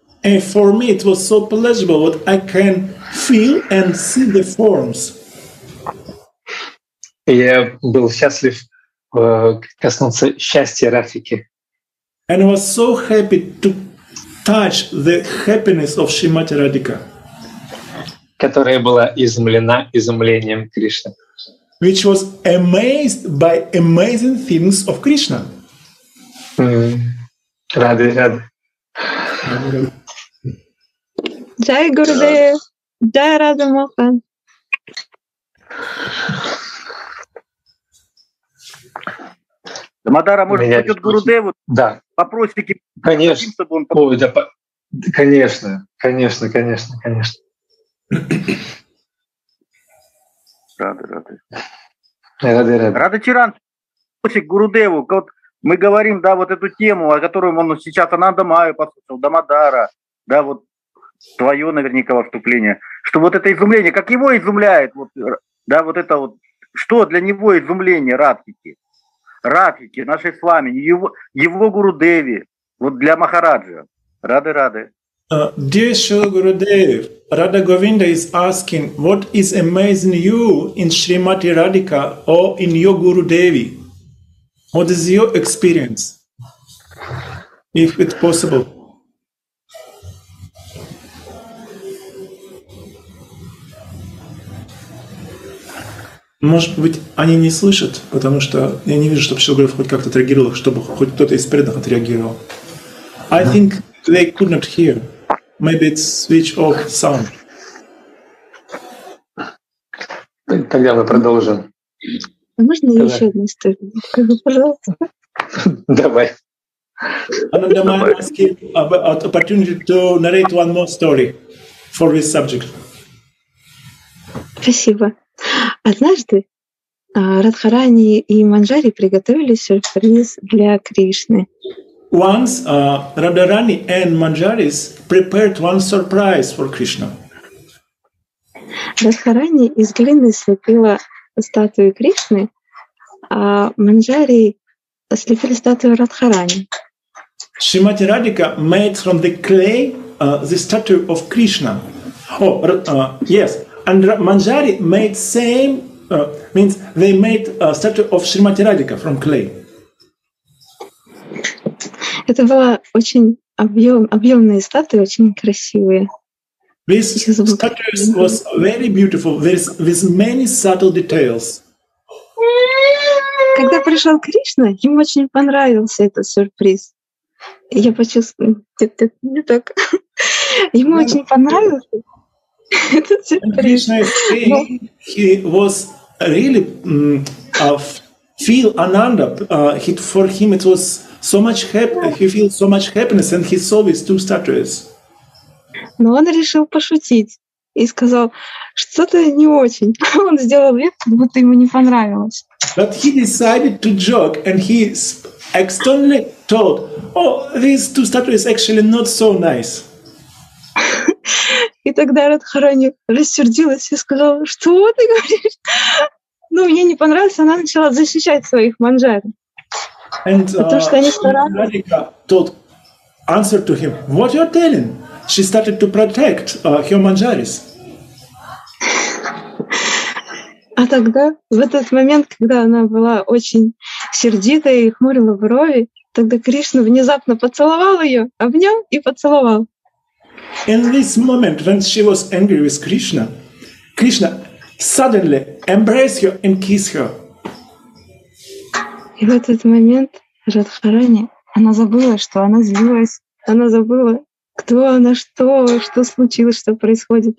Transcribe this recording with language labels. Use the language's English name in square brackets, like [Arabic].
[English] And for me it was so pleasurable what I can feel and see the forms. [Russian] Я был счастлив коснуться счастья Рафики. [English] And I was so happy to touch the happiness of Srimati Radhika, [Russian] которая была изумлена изумлением Кришны. [English] Which was amazed by amazing feelings of Krishna. [Russian] Рады. Джай Гурудев, джай Рада Мохан. Мадара, может, пойдет Гурудеву? Да. Вопросики. Конечно. Хотим, он... Ой, да, конечно. Рады. Рады Чиран. Гурудеву, мы говорим, да, вот эту тему, о которой он сейчас Ананда Майю послушал, Дамодара, да, вот твое наверняка во вступление, что вот это изумление, как его изумляет, вот, да, вот это вот, что для него изумление Радхики, Радхики, нашей свами, его гуру Деви, вот для Махараджа, рады-рады. [English] Dear Srila Gurudev, Radha Govinda is asking, what is amazing you in Srimati Radhika or in your Guru Devi? What is your experience, if it's possible? [Russian] Может быть, они не слышат, потому что я не вижу, чтобы Шрила Гурудев хоть как-то отреагировал, чтобы хоть кто-то из преданных отреагировал. [English] I think they could not hear. Maybe it's switch off sound. [Russian] Тогда мы продолжим. Можно тогда еще одну историю? Пожалуйста. Давай. [English] Ananda Maya asked about opportunity to narrate one more story for this subject. [Russian] Спасибо. Однажды Радхарани и Манджари приготовили сюрприз для Кришны. [English] Once Radharani and Manjaris prepared one surprise for Krishna. [Russian] Radharani из глины слепила статую Кришны, а Манджари слепили статую Радхарани. [English] Shrimati Radhika made from the clay the statue of Krishna. Oh, yes. And Manjari made same means they made a statue of Shrimati Radhika from clay. [Russian] Это была очень объемная статуя, очень красивая. [English] This statue was very beautiful, with many subtle details. [Russian] Когда пришел Кришна, ему очень понравился этот сюрприз. Я почувствовал, не так. Ему очень понравился этот сюрприз. [English] He was really feel Ananda. For him it was so much happy, he feels so much happiness, and he saw these two statues. [Russian] Но он решил пошутить и сказал, что-то не очень. Он сделал вид, будто ему не понравилось. [English] But he decided to joke, and he externally told, "Oh, these two statues actually not so nice." [Russian] И тогда Радхарани рассердилась и сказала, что ты говоришь? Ну, мне не понравилось. Она начала защищать своих манджари. [English] Radhika told answer to him, what you're telling? She started to protect her manjaris. [Russian] А тогда, в этот момент, когда она была очень сердитая и хмурила брови, тогда Кришна внезапно поцеловал ее, обнял и поцеловал. [English] In this moment, when she was angry with Krishna, Krishna suddenly embraced her and kissed her. [Russian] И в этот момент Радхарани, она забыла, что она злилась, она забыла, кто она, что случилось, что происходит.